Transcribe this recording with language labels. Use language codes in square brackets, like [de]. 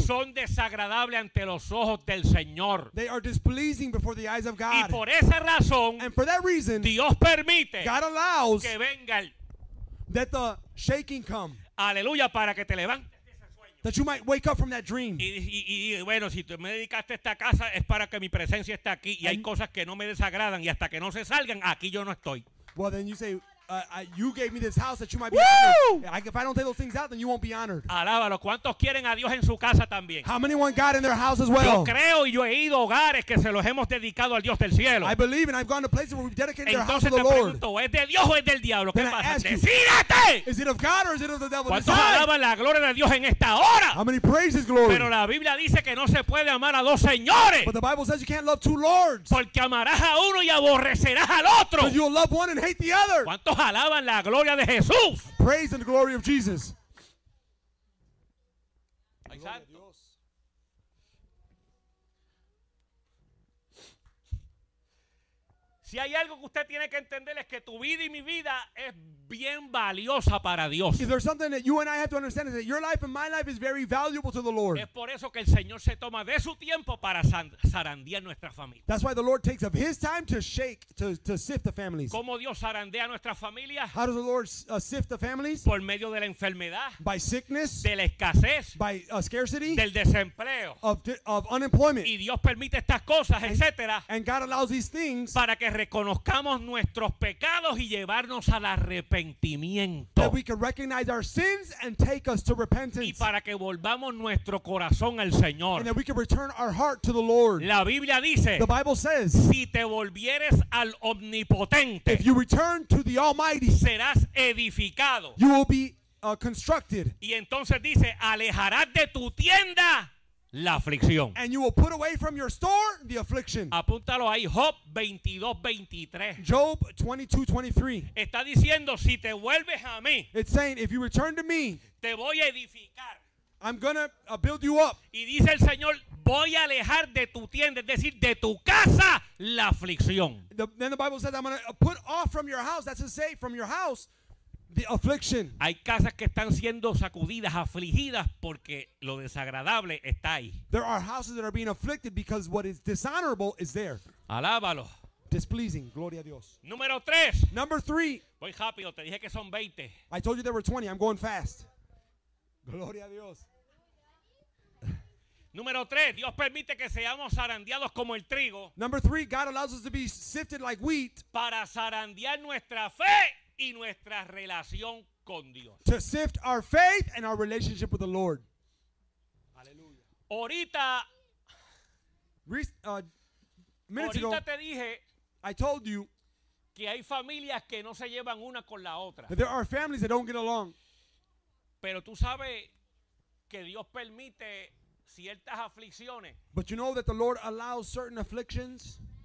[es] Son desagradables ante los ojos del Señor. [en] They are displeasing before the eyes of God. [es] Y por esa razón, [en] and for that reason, [es] Dios permite, [en] God allows, [es] que venga el, [en] that the shaking come. [es] Aleluya, para que te levantes. [en] That you might wake up from that dream. [es] Y bueno, si tú me dedicaste a esta casa es para que mi presencia esté aquí y hay cosas que no me desagradan y hasta que no se salgan aquí yo no estoy. [en] Well, then you say you gave me this house that you might be Woo! Honored. If I don't take those things out, then you won't be honored. [es] Alábalo. ¿Cuántos quieren a Dios en su casa también? [en] How many want God in their house as well? [es] Yo creo y yo he ido a hogares que se los hemos dedicado al Dios del cielo. [en] I believe and I've gone to places where we've dedicated [es] entonces [en] their house to the Lord. [es] Entonces te pregunto, ¿es de Dios o es del diablo? ¿Qué [en] then [es] pasa? [en] Ask [es] ¡Decídate! [en] Is it of God or is it of the devil? [es] ¿Cuántos alaban la gloria de Dios en esta hora? [en] How many praise His glory? [es] Pero la Biblia dice que no se puede amar a dos señores. [en] But the Bible says you can't love two lords. [es] Porque amarás a uno y aborrecerás al otro. [en] Because you'll love one and hate the other. [es] Alaban la gloria de Jesús. [en] Praise the glory of Jesus. [es] Exacto. Si hay algo que usted tiene que entender es que tu vida y mi vida es bien valiosa para Dios. [en] If there's something that you and I have to understand is that your life and my life is very valuable to the Lord. [es] Es por eso que el Señor se toma de su tiempo para zarandear nuestra familia. [en] That's why the Lord takes of his time to shake, to sift the families. [es] ¿Cómo Dios zarandea nuestra familia? [en] How does the Lord sift the families? [es] Por medio de la enfermedad. [en] By sickness. [es] De la escasez. [en] By scarcity. [es] Del desempleo. [en] Of unemployment. [es] Y Dios permite estas cosas, etcétera. [en] And God allows these things. [es] Para que reconozcamos nuestros pecados y llevarnos al arrepentimiento. [en] That we can recognize our sins and take us to repentance. [es] Y para que volvamos nuestro corazón al Señor. [en] And that we can return our heart to the Lord. [es] La Biblia dice, [en] the Bible says, [es] si te volvieres al omnipotente, [en] if you return to the Almighty, [es] serás edificado. [en] You will be constructed. [es] Y entonces dice, alejarás de tu tienda la aflicción. [en] And you will put away from your store the affliction. [es] Apúntalo ahí, Job 22:23. [en] Job 22:23. [es] Está diciendo, si te vuelves a mí, [en] it's saying, if you return to me, [es] te voy a edificar. [en] I'm gonna build you up. [es] Y dice el Señor, voy a alejar de tu tienda, es decir, de tu casa, la aflicción. [en] Then the Bible says, I'm gonna put off from your house, that's to say, from your house, the affliction. [es] Hay casas que están siendo sacudidas, afligidas porque lo desagradable está ahí. [en] There are houses that are being afflicted because what is dishonorable is there. [es] Alábalo. [en] Displeasing, [es] gloria a Dios. Número 3. [en] Number 3. [es] Voy rápido, te dije que son 20. [en] I told you there were 20. I'm going fast. [es] Gloria a Dios. Número 3. Dios permite que seamos zarandeados como el trigo. [en] Number 3. God allows us to be sifted like wheat. [es] Para zarandear nuestra fe y nuestra relación con Dios. [en] To sift our faith and our relationship with the Lord. [es] Aleluya. Ahorita, [en] minutes [es] ahorita [en] ago, [es] te dije, [en] I told you, [es] que hay familias que no se llevan una con la otra. [en] That there are families that don't get along. [es] Pero tú sabes que Dios permite ciertas aflicciones. [en] But you know that the Lord allows certain afflictions.